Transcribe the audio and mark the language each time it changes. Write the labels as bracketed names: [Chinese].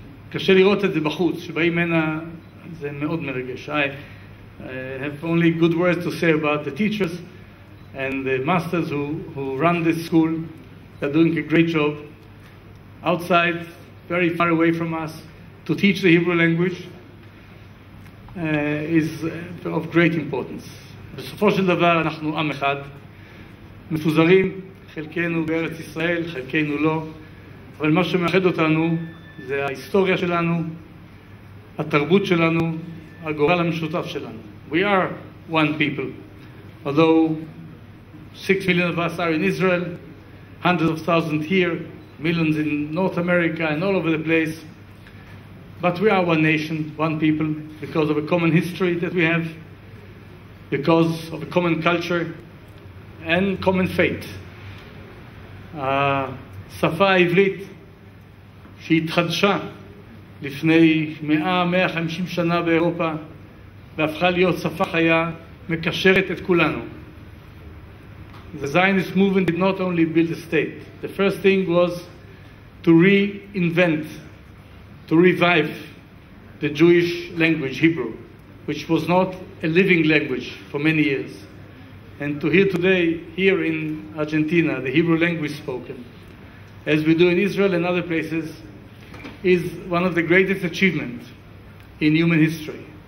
[Hebrew] קשה לראות את זה בחוץ, שבאים הנה, זה מאוד מרגש. [English] I have only good words to say about the teachers and the masters who run this school. They're doing a great job outside, very far away from us, to teach the Hebrew language is of great importance. [Hebrew] בסופו של דבר אנחנו עם אחד, מפוזרים, חלקנו בארץ ישראל, חלקנו לא, אבל מה שמאחד אותנו זה ההיסטוריה שלנו, התרבות שלנו, הגורל המשותף שלנו. [English] We are one people, although 6 million of us are in Israel, hundreds of thousands here, millions in North America and all over the place. But we are one nation, one people, because of a common history that we have, because of a common culture and common faith. [Hebrew] השפה העברית שהתחדשה לפני 100-150 שנה באירופה והפכה להיות שפה חיה, מקשרת את כולנו. [English] The Zionist movement did not only build a state. The first thing was to reinvent to revive the Jewish language, Hebrew, which was not a living language for many years. And to hear today, here in Argentina, the Hebrew language spoken, as we do in Israel and other places, is one of the greatest achievements in human history.